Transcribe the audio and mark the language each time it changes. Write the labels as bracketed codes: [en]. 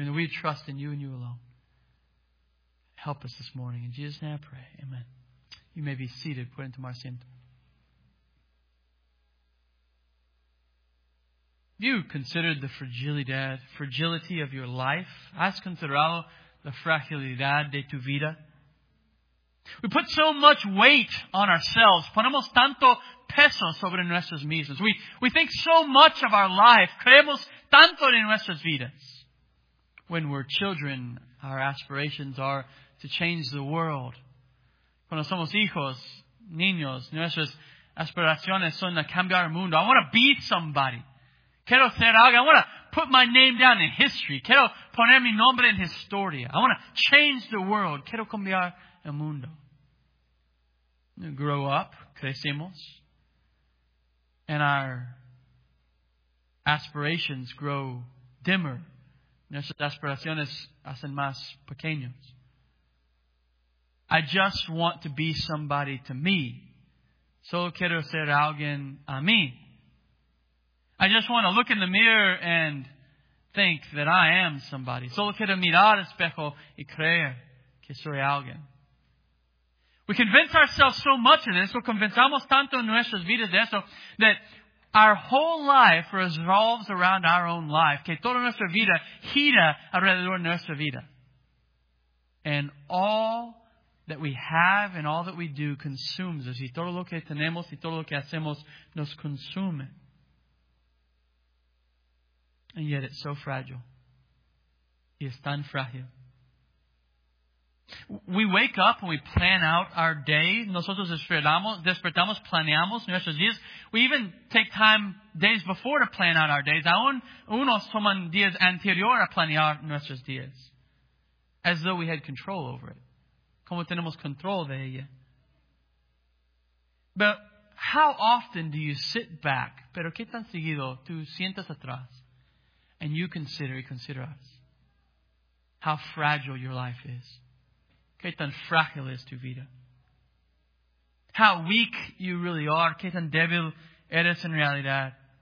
[en] And we would trust in you and you alone. Help us this morning. In Jesus' name I pray. Amen. You may be seated. Put into Marcin. Have you considered the fragility of your life? [es] ¿Has considerado la fragilidad de tu vida? [en] We put so much weight on ourselves. [es] Ponemos tanto peso sobre nuestras mismas. [en] We think so much of our life. [es] Creemos tanto en nuestras vidas. [en] When we're children, our aspirations are to change the world. [es] Cuando somos hijos, niños, nuestras aspiraciones son a cambiar el mundo. [en] I want to be somebody. [es] Quiero ser alguien. [en] I want to put my name down in history. [es] Quiero poner mi nombre en historia. [en] I want to change the world. [es] Quiero cambiar el mundo. [en] We grow up, [es] crecemos, [en] and our aspirations grow dimmer. [es] Nuestras aspiraciones hacen más pequeños. [en] I just want to be somebody to me. [es] Solo quiero ser alguien a mí. [en] I just want to look in the mirror and think that I am somebody. [es] Solo quiero mirar al espejo y creer que soy alguien. [en] We convince ourselves so much of this, [es] o convencemos tanto en nuestras vidas de eso, [en] that our whole life revolves around our own life, [es] que toda nuestra vida gira alrededor de nuestra vida. [en] And all that we have and all that we do consumes us. [es] Y todo lo que tenemos y todo lo que hacemos nos consume. [en] And yet it's so fragile. [es] Y es tan frágil. [en] We wake up and we plan out our day. [es] Nosotros despertamos, planeamos nuestros días. [en] We even take time days before to plan out our days. [es] Aún unos toman días anterior a planear nuestros días. [en] As though we had control over it. [es] Como tenemos control de ella. [en] But how often do you sit back? [es] Pero qué tan seguido tú sientas atrás? [en] And you consider, us. How fragile your life is. [es] ¿Qué tan frágil es tu vida? [en] How weak you really are. [es] ¿Qué tan débil eres en realidad?